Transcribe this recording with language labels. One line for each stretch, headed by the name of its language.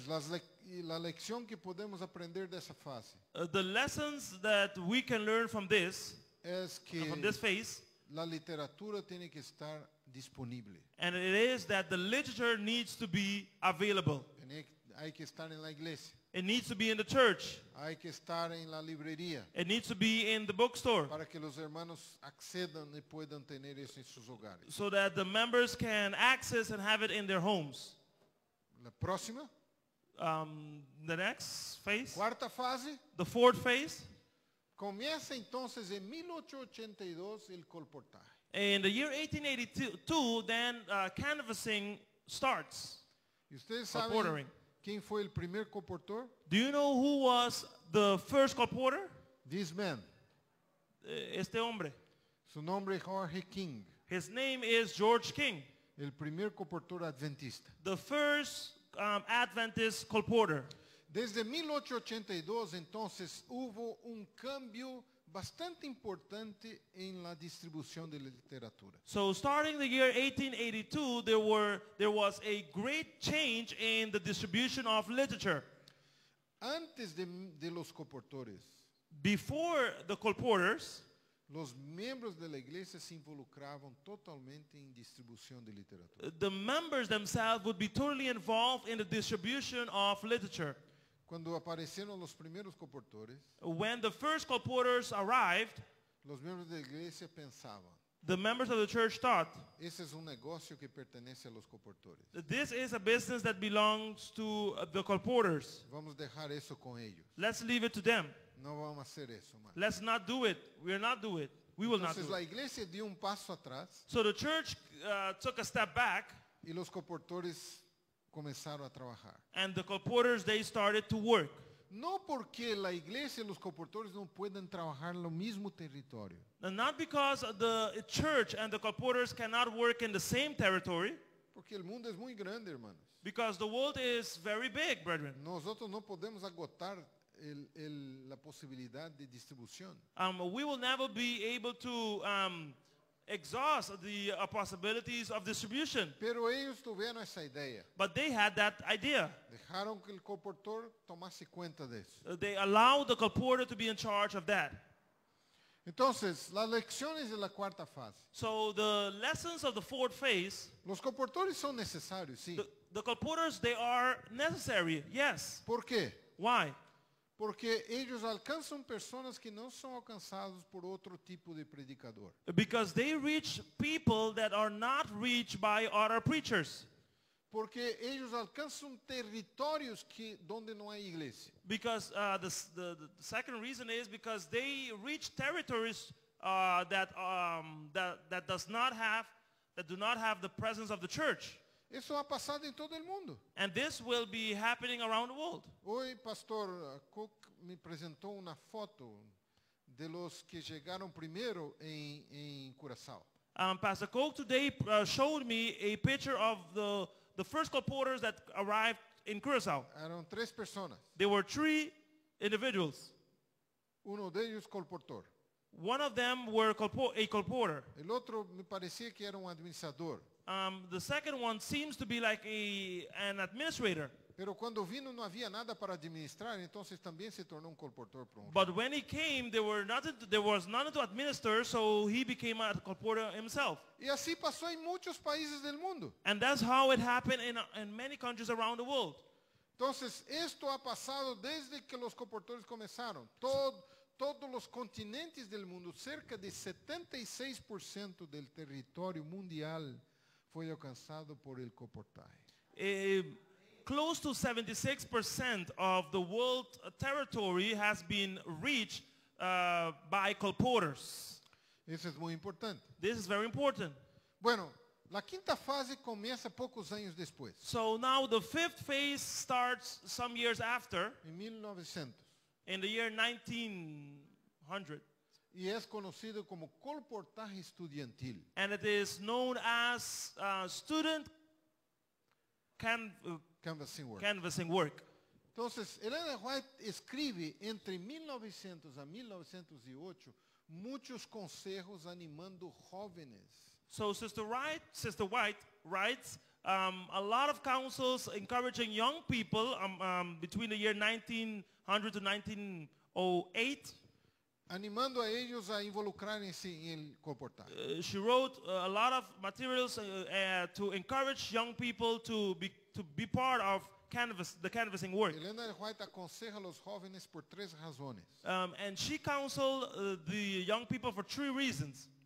Spanish: La lección que podemos aprender de esa fase.
English: The lessons that we can learn from this
Spanish: es que
English: from this phase,
Spanish: la literatura tiene que estar disponible.
English: And it is that the literature needs to be available.
Spanish: Hay que estar en la iglesia.
English: It needs to be in the church.
Spanish: Hay que estar en la librería.
English: It needs to be in the bookstore.
Spanish: Para que los hermanos accedan y puedan tener eso en sus hogares.
English: So that the members can access and have it in their homes.
Spanish: La próxima.
English: The next phase.
Spanish: Cuarta fase.
English: The fourth phase.
Spanish: Comienza entonces en 1882 el colportaje.
English: In the year 1882, then canvassing starts.
Spanish: Ustedes saben quién fue el primer colportor?
English: Do you know who was the first colporter? This man.
Spanish: Este hombre. Su nombre es Jorge King.
English: His name is George King.
Spanish: El primer colportor adventista.
English: The first Adventist colporter.
Spanish: Desde 1882, entonces, hubo un cambio bastante importante en la distribución de la literatura.
English: So starting the year 1882, there was a great change in the distribution of literature.
Spanish: Antes de los colportores.
English: Before the colporters.
Spanish: Los miembros de la iglesia se involucraban totalmente en distribución de literatura.
English: The members themselves would be totally involved in the distribution of literature.
Spanish: Cuando aparecieron los primeros colportores,
English: when the first colporters arrived,
Spanish: los miembros de la iglesia pensaban,
English: the members of the church thought,
Spanish: ese es un negocio que pertenece a los colportores.
English: This is a business that belongs to the colporters.
Spanish: Vamos dejar eso con ellos.
English: Let's leave it to them.
Spanish: No vamos a hacer eso, man.
English: Let's not do it. We will not do it. We will
Spanish: entonces,
English: not do
Spanish: la iglesia
English: it.
Spanish: Dio un paso atrás,
English: so the church took a step back.
Spanish: Y los colportores comenzaron a trabajar.
English: And the colporters, they started to work.
Spanish: No porque la iglesia y los colportores no pueden trabajar en lo mismo territorio.
English: And not because the church and the colporters cannot work in the same territory.
Spanish: Porque el mundo es muy grande, hermanos.
English: Because the world is very big, brethren.
Spanish: Nosotros no podemos agotar la posibilidad de distribución.
English: We will never be able to exhaust the possibilities of distribution.
Spanish: Pero ellos tuvieron esa idea.
English: But they had that idea.
Spanish: Dejaron que el colportor tomase cuenta de eso.
English: They allowed the colporter to be in charge of that.
Spanish: Entonces, las lecciones de la cuarta fase.
English: So the lessons of the fourth phase.
Spanish: Los colportores son necesarios, sí.
English: The colporters, they are necessary, yes.
Spanish: ¿Por qué?
English: Why?
Spanish: Porque ellos alcanzan personas que no son alcanzados por otro tipo de predicador.
English: Because they reach people that are not reached by other preachers.
Spanish: Porque ellos alcanzan territorios que donde no hay iglesia.
English: Because the second reason is because they reach territories that do not have the presence of the church.
Spanish: Eso ha pasado en todo el mundo.
English: And this will be happening around the world.
Spanish: Hoy Pastor Cook me presentó una foto de los que llegaron primero en Curaçao.
English: Pastor Cook today showed me a picture of the first colporters that arrived in Curaçao.
Spanish: Eran tres personas.
English: There were three individuals.
Spanish: Uno de ellos colportor.
English: One of them were a colporter.
Spanish: El otro me parecía que era un administrador.
English: The second one seems to be like an administrator.
Spanish: Pero cuando vino no había nada para administrar, entonces también se tornó un colportor pronto.
English: But when he came, there was nothing to administer, so he became a colporter himself.
Spanish: Y así pasó en muchos países del mundo.
English: And that's how it happened in many countries around the world.
Spanish: Entonces esto ha pasado desde que los colportores comenzaron. Todos los continentes del mundo, cerca de 76% del territorio mundial fue alcanzado por el colportaje.
English: Close to 76% of the world territory has been reached by colporters.
Spanish: Eso es muy importante.
English: This is very important.
Spanish: Bueno, la quinta fase comienza pocos años después.
English: So now the fifth phase starts some years after.
Spanish: En 1900.
English: In the year 1900.
Spanish: Y es conocido como colportaje estudiantil.
English: And it is known as student canvassing work.
Spanish: Entonces, Ellen White escribe entre 1900 a 1908 muchos consejos animando jóvenes.
English: So Sister White writes a lot of counsels encouraging young people between the year 1900 to 1908.
Spanish: animando a ellos a involucrarse en el comportar.
English: She wrote a lot of materials to encourage young people to be part of the canvassing work.
Spanish: Ellen White aconseja a los jóvenes por tres razones.
English: And she counseled the young people for three reasons.